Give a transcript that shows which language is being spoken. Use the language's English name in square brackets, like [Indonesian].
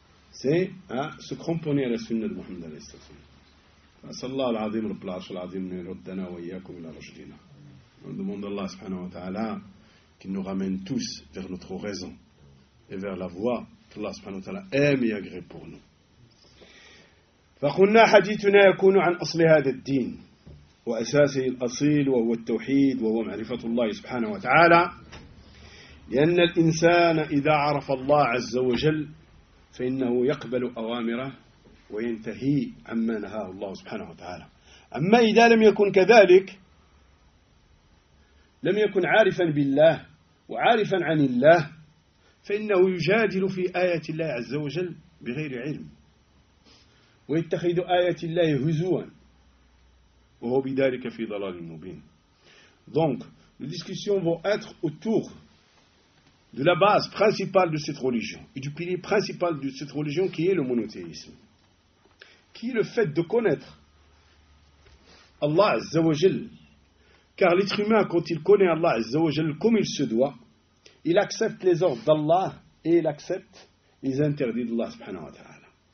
[French] C'est se cramponner à la sunna de Muhammad, alayhi salatu wassalam. Sallallahu al-Azim, al-Plash, al-Azim, al-Ruddana, wa iyakum, al-Rajdina. On demande à Allah, subhanahu wa ta'ala, qu'il nous ramène tous vers notre raison et vers la voie qu'Allah, subhanahu wa ta'ala, aime et agrée pour nous. [Arabic] فقلنا حديثنا يكون عن أصل هذا الدين وأساسه الأصيل وهو التوحيد وهو معرفة الله سبحانه وتعالى لأن الإنسان إذا عرف الله عز وجل فإنه يقبل أوامره وينتهي عما نهاه الله سبحانه وتعالى أما إذا لم يكن كذلك لم يكن عارفا بالله وعارفا عن الله فإنه يجادل في آية الله عز وجل بغير علم ويتخذ آيات الله هزوا وهو بذلك في ضلال مبين. [French] Donc, les discussions vont être autour de la base principale de cette religion et du pilier principal de cette religion qui est le monothéisme, qui est le fait de connaître Allah Azza wa Jal. Car l'être humain, quand il connaît Allah Azza wa Jal comme il se doit, il accepte les ordres d'Allah et il accepte les interdits d'Allah subhanahu wa ta'ala.